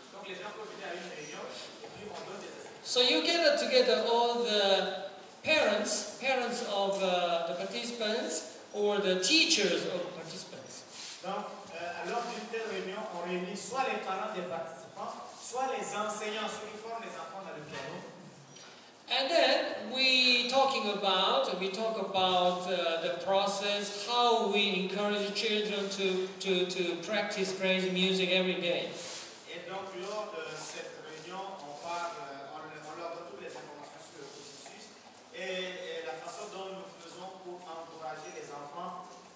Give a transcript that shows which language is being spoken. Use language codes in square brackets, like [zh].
[fr] Donc les gens peuvent venir à une réunion et puis on donne des explications. [en] So you gather together all the parents of the participants or the teachers of the participants. [fr] Donc, lors d'une telle réunion, on réunit soit les parents des participants, soit les enseignants, ceux qui forment les enfants dans le piano. [en] And then we talk about the process, how we encourage children to practice praise music every day. [fr] Et donc lors de cette réunion, on leur donne toutes les informations sur le processus et la façon dont nous faisons pour encourager les enfants.